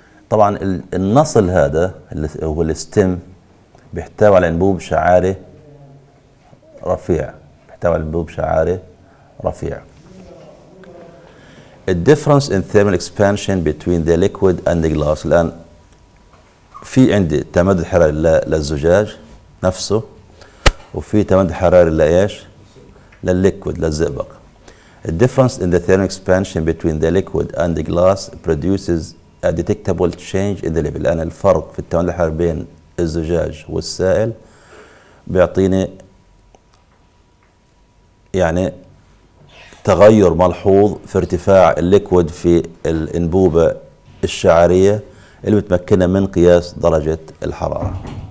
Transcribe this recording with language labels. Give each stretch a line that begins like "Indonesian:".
Arabic: طبعا النصل هذا اللي هو الستيم بيحتوي على انبوب شعاري رفيع، بيحتوي على انبوب شعاري رفيع.
English: The difference in thermal expansion between the liquid and the glass.
Arabic: الآن في عندي تمدد حراري للزجاج نفسه وفي تمدد حراري لإيش؟ للليكويد للزئبق.
English: The difference in the thermal expansion between the liquid and the glass produces a detectable change in the level.
Arabic: الآن الفرق في التمدد الحراري بين الزجاج والسائل بيعطيني يعني تغير ملحوظ في ارتفاع الليكويد في الانبوبة الشعرية اللي بتمكننا من قياس درجة الحرارة.